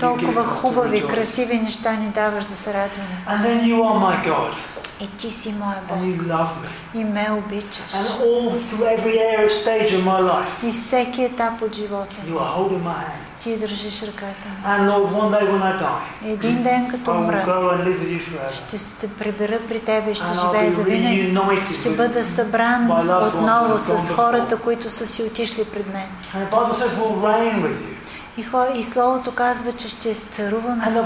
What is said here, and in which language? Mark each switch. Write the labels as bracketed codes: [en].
[bg] Толкова хубави, красиви неща ни даваш да се радваме. [en] And then you are my God. [bg] И ти си моя Бог. [en] And you love me. [bg] И ме обичаш. [en] And all through every area stage of my life. [bg] И всеки етап от живота. [en] You are holding my hand. [bg] Ти държиш ръката ми. [en] And Lord, one day when I die. [bg] Един ден като умра. [en] I will go and live with you forever. [bg] Ще се прибера при тебе и ще живея завинаги. Ще бъда събран отново с хората, които са си отишли пред мен. [en] And the Bible says we'll reign with you. [bg] И Словото казва, че ще царуваме с